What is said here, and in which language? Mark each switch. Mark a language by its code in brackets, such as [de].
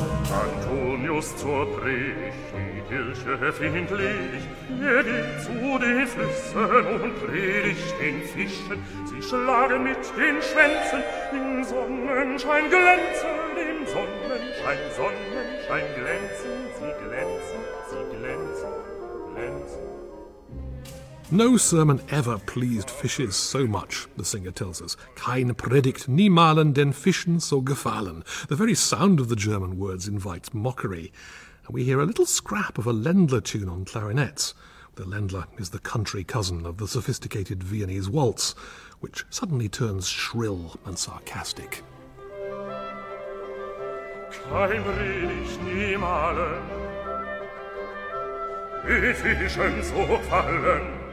[de] Antonius zur Predigt findlich, geht zu den Flüssen und predigt den Fischen. Sie schlagen mit den Schwänzen, im Sonnenschein glänzen, im Sonnenschein, Sonnenschein glänzen, sie glänzen, sie glänzen, glänzen. [en] No sermon ever pleased fishes so much, the singer tells us. [de] Kein Predigt niemalen den Fischen so gefallen. [en] The very sound of the German words invites mockery. And we hear a little scrap of a Ländler tune on clarinets. The Ländler is the country cousin of the sophisticated Viennese waltz, which suddenly turns shrill and sarcastic. [de] Kein Predigt niemalen die Fischen so fallen.